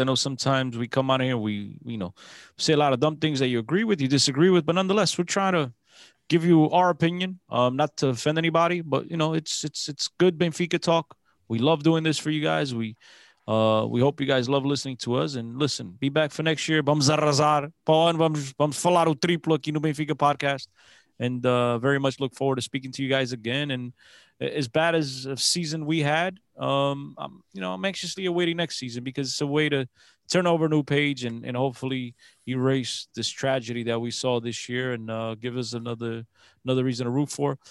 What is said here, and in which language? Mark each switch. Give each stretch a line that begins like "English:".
English: I know sometimes we come out here, we say a lot of dumb things that you agree with, you disagree with, but nonetheless, we're trying to give you our opinion, not to offend anybody, but you know, it's good Benfica talk. We love doing this for you guys. We hope you guys love listening to us. And listen, be back for next year.
Portuguese: Vamos arrasar, vamos falar o triplo aqui no Benfica podcast.
English: And very much look forward to speaking to you guys again. And as bad as a season we had, I'm anxiously awaiting next season because it's a way to turn over a new page and hopefully erase this tragedy that we saw this year and give us another reason to root for.